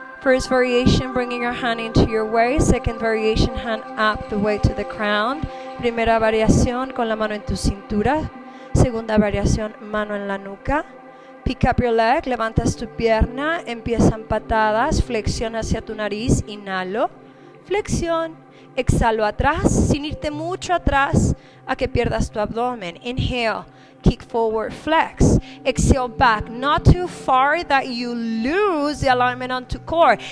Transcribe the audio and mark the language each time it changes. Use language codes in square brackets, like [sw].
[en] First variation, bringing your hand into your waist. Second variation, hand up the way to the crown. [es] Primera variación, con la mano en tu cintura. Segunda variación, mano en la nuca. [en] Pick up your leg, [es] levantas tu pierna. Empiezan patadas, flexión hacia tu nariz. Inhalo, flexión. Exhalo atrás, sin irte mucho atrás a que pierdas tu abdomen. [en] Inhale, kick forward, flex. Exhale back, not too far that you lose the alignment onto core.